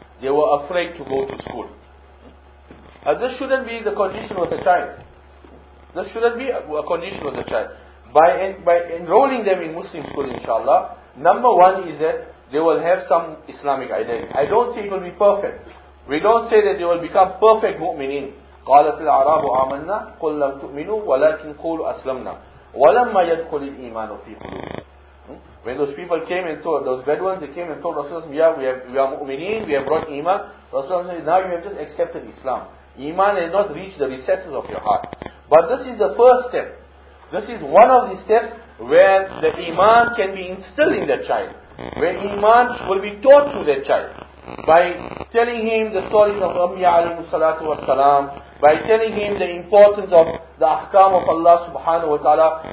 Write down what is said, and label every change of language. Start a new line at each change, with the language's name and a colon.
English: They were afraid to go to school. This shouldn't be the condition of the child. This shouldn't be a condition of the child. By enrolling them in Muslim school, inshallah, number one is that they will have some Islamic identity. I don't say it will be perfect. We don't say that they will become perfect mu'mineen.
Arabic: قالت العرب آمنا قل لم تؤمنوا ولكن قولوا أسلمنا ولما يدخل الإيمان في قلوبهم.
English: When those people came and told those Bedouins, they came and told Rasulullah, yeah, we are mu'mineen, we have brought iman. Rasulullah said, now you have just accepted Islam. Iman has not reached the recesses of your heart. But this is the first step. This is one of the steps where the iman can be instilled in that child, where iman will be taught to that child by telling him the stories of Anbiya alayhi salatu wa salam, by telling him the importance of the ahkam of Allah subhanahu wa ta'ala.